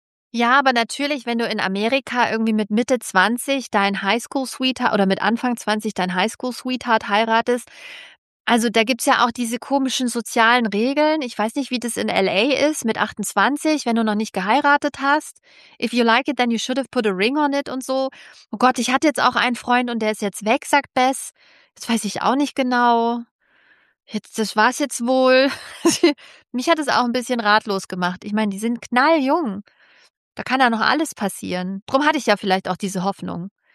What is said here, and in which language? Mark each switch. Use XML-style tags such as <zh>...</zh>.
<de>Ja, aber natürlich, wenn du in Amerika irgendwie mit Mitte 20 dein Highschool-Sweetheart oder mit Anfang 20 dein Highschool-Sweetheart heiratest, also da gibt's ja auch diese komischen sozialen Regeln. Ich weiß nicht, wie das in L.A. ist mit 28, wenn du noch nicht geheiratet hast.</de> <en>If you like it, then you should have put a ring on it</en> <de>und so. Oh Gott, ich hatte jetzt auch einen Freund und der ist jetzt weg, sagt Bess. Das weiß ich auch nicht genau. Jetzt, das war's jetzt wohl. Mich hat es auch ein bisschen ratlos gemacht. Ich meine, die sind knalljung. Da kann ja noch alles passieren. Drum hatte ich ja vielleicht auch diese Hoffnung.</de>